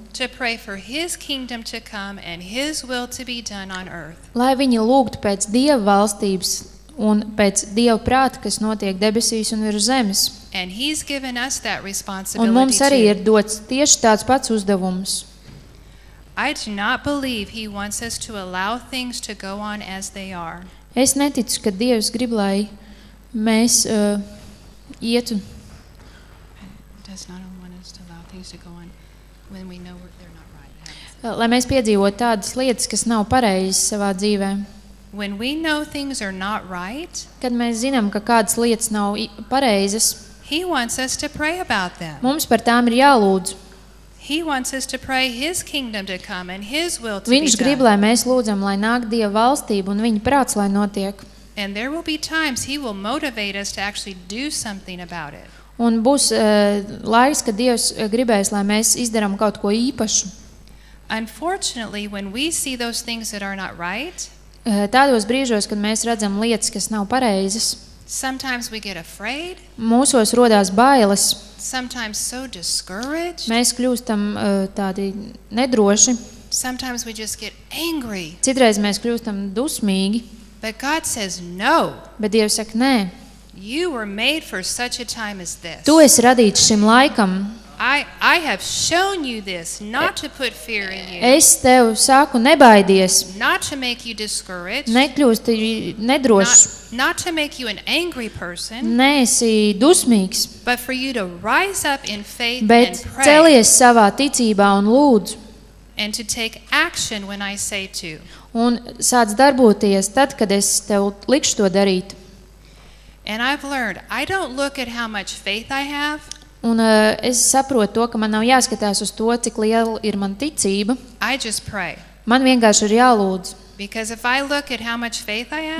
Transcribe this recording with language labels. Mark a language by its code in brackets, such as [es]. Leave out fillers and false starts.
[en] To pray for his kingdom to come and his will to be done on earth. [lv] Lai viņi lūgtu pēc Dieva valstības un pēc Dieva prāta, kas notiek debesīs un virs zemes. [en] And he's given us that responsibility. [lv] Un mums arī ir dots tieši tāds pats uzdevums. [en] I do not believe he wants us to allow things to go on as they are. [lv] Es neticu, ka Dievs grib, lai mēs ietu. [en] Does not want us to allow things to go on when we know they're not right. [lv] Lai mēs piedzīvotu tādas lietas, kas nav pareizas savā dzīvē. [en] When we know things are not right, [lv] kad mēs zinām, ka kādas lietas nav pareizas, [en] he wants us to pray about them. [lv] Mums par tām ir jālūdz. [en] He wants us to pray his kingdom to come and his will to be done. [lv] Viņš grib, lai mēs lūdzam, lai nāk Dieva valstība un viņa prāts, lai notiek. [en] And there will be times he will motivate us to actually do something about it. [lv] Un būs laiks, kad Dievs gribēs, lai mēs izdarām kaut ko īpašu. [en] Unfortunately, when we see those things that are not right, [lv] tādos brīžos, kad mēs redzam lietas, kas nav pareizas, [en] sometimes we get afraid. [lv] Mūsos rodās bailes. [en] Sometimes so discouraged. [lv] Mēs kļūstam tādi nedroši. [en] Sometimes we just get angry. [lv] Citreiz mēs kļūstam dusmīgi. [en] But God says no. [lv] Bet Dievs saka nē. [en] You were made for such a time as this. [lv] Tu esi radīts šim laikam. [en] I have shown you this not to put fear in you. [lv] Es tev saku nebaidies. [en] Not to make you discouraged. [lv] Nekļūst nedrošs. [en] Not to make you an angry person. [lv] Neesi dusmīgs. [en] But for you to rise up in faith [lv] bet [en] and pray. [lv] Bet celies savā ticībā un lūdz. [en] And to take action when I say to. [lv] Un sāc darboties tad, kad es tev likšu to darīt. [en] And I've learned, I don't look at how much faith I have. [lv] Un es saprotu to, ka man nav jāskatās uz to, cik liela ir man ticība. [en] I just pray. [lv] Man vienkārši ir jālūdz. [en] Because if I look at how much faith I have.